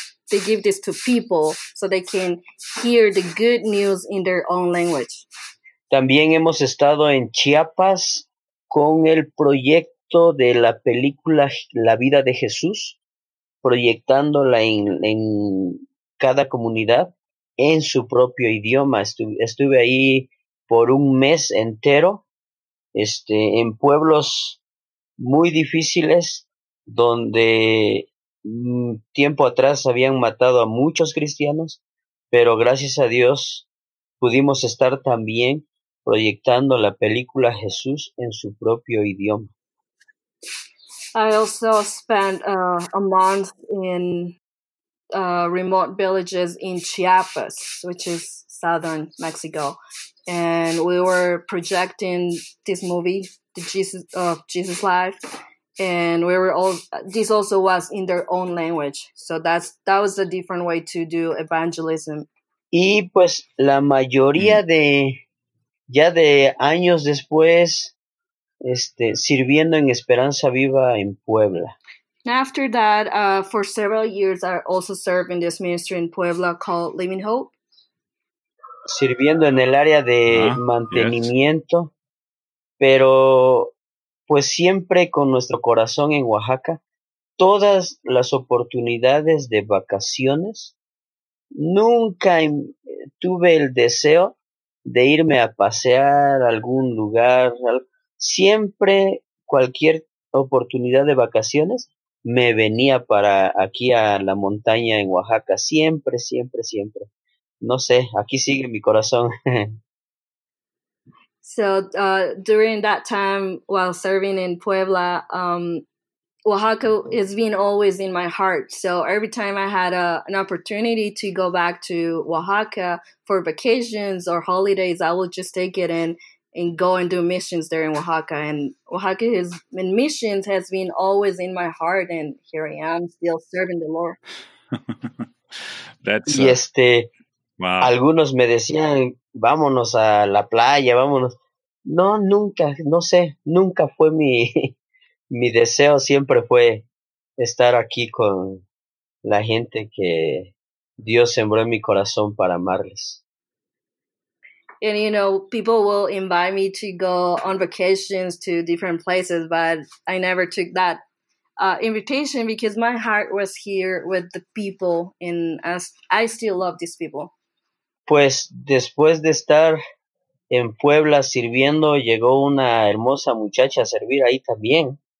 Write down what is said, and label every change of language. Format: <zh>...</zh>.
<en>They give this to people so they can hear the good news in their own language.</en> <es>También hemos estado en Chiapas con el proyecto de la película La Vida de Jesús, proyectándola en cada comunidad en su propio idioma. Estuve ahí por un mes entero, en pueblos muy difíciles, donde tiempo atrás habían matado a muchos cristianos, pero gracias a Dios pudimos estar también proyectando la película Jesús en su propio idioma.</es> <en>I also spent a month in remote villages in Chiapas, which is southern Mexico. And we were projecting this movie, The Jesus of Jesus Life, and we were all, this also was in their own language. So that was a different way to do evangelism.</en> <es>Y pues la mayoría de, ya de años después, sirviendo en Esperanza Viva en Puebla.</es> <en>After that, for several years, I also served in this ministry in Puebla called Living Hope.</en> <es>Sirviendo en el área de mantenimiento, pero pues siempre con nuestro corazón en Oaxaca, todas las oportunidades de vacaciones, nunca tuve el deseo de irme a pasear a algún lugar, siempre cualquier oportunidad de vacaciones me venía para aquí a la montaña en Oaxaca, siempre, siempre, siempre. No sé, aquí sigue mi corazón.</es> <en>So during that time while serving in Puebla, Oaxaca has been always in my heart. So every time I had an opportunity to go back to Oaxaca for vacations or holidays, I would just take it and go and do missions there in Oaxaca. And Oaxaca and missions has been always in my heart, and here I am still serving the Lord. That's Wow.</en> <es>Algunos me decían, vámonos a la playa, vámonos. No, nunca, no sé, nunca fue mi deseo, siempre fue estar aquí con la gente que Dios sembró en mi corazón para amarles.</es> <en>And you know, people will invite me to go on vacations to different places, but I never took that invitation because my heart was here with the people, and I still love these people.</en> <es>Pues después de estar en Puebla sirviendo, llegó una hermosa muchacha a servir ahí también.</es>